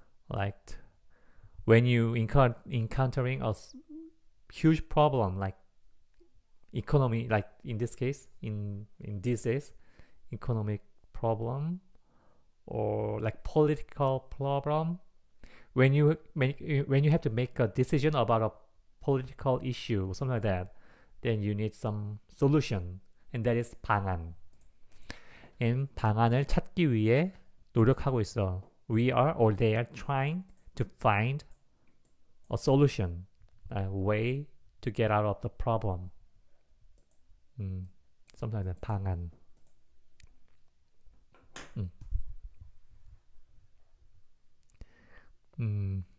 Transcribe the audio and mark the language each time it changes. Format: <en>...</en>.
<en>Like when you encountering a huge problem, like economy, like in this case, in this case, economic problem, or like political problem. When you have to make a decision about a political issue or something like that, then you need some solution. And that is 방안.</en> <ko>And 방안을 찾기 위해 노력하고 있어.</ko> <en>We are or they are trying to find a solution, a way to get out of the problem. Something like that. 방안.</en>